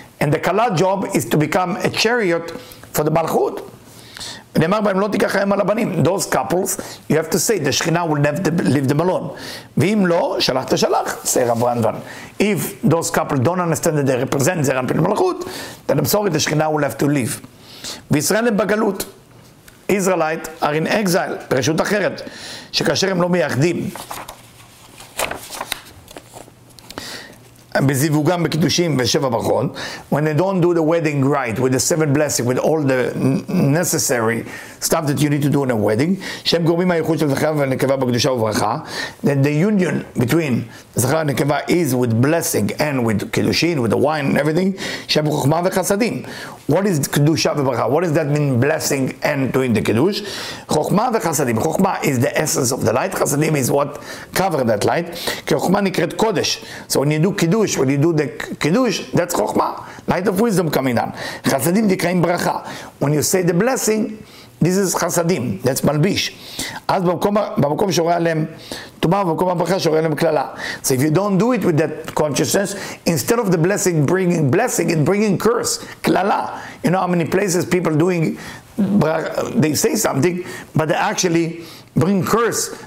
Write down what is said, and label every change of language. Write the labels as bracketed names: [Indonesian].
[English] And the Kala job is to become a chariot for the Malchut. Those couples, you have to say, the Shekhinah will never leave them alone. If those couples don't understand that they represent Zeranpin Malchut, then I'm sorry, the Shekhinah will have to leave. Israel in Bagalut. Israelite are in exile, [Hebrew] פרשות אחרת, שכאשר הם לא מייחדים, בזיווגם בקידושים ושבע ברכות, [English] when they don't do the wedding right, with the seven blessings, with all the necessary stuff that you need to do in a wedding, [Hebrew] שהם גורמים מהייחוד של זכר ונקבה בקדושה וברכה, [English] then the union between זכר ונקבה is with blessing and with קידושים, with the wine and everything, [Hebrew] שהם חוכמה וחסדים. [English] What is קדושה וברכה? What does that mean, blessing and doing the קידוש? [Hebrew] חוכמה וחסדים. [English] חוכמה is the essence of the light. חסדים is what cover that light. [Hebrew] כי חוכמה נקראת קודש. [English] So when you do קידוש, when you do the קידוש, that's חוכמה. Light of wisdom coming on. [Hebrew] חסדים נקראים ברכה. [English] When you say the blessing, this is חסדים. That's מלביש. [Hebrew] אז במקום שורה עליהם טומאה, במקום הברכה שורה עליהם כללה. [English] So if you don't do it with that consciousness, instead of the blessing, it bringing curse. כללה. You know how many places people doing, they say something, but they actually bring curse.